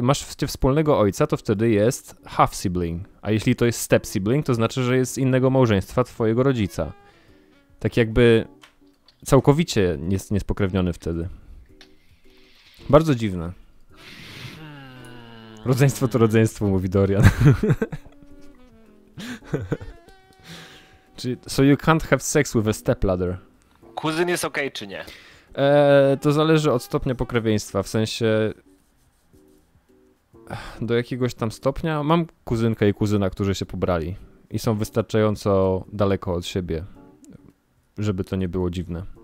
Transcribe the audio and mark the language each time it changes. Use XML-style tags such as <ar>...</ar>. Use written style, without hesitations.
<pl>Masz wspólnego ojca, to wtedy jest half-sibling. A jeśli to jest step-sibling, to znaczy, że jest z innego małżeństwa twojego rodzica. Tak jakby całkowicie jest niespokrewniony wtedy. Bardzo dziwne. Rodzeństwo to rodzeństwo, mówi Dorian.</pl> <en>So you can't have sex with a stepladder.</en> <pl>Kuzyn jest okej, czy nie? To zależy od stopnia pokrewieństwa, w sensie... Do jakiegoś tam stopnia? Mam kuzynkę i kuzyna, którzy się pobrali. I są wystarczająco daleko od siebie, żeby to nie było dziwne.</pl>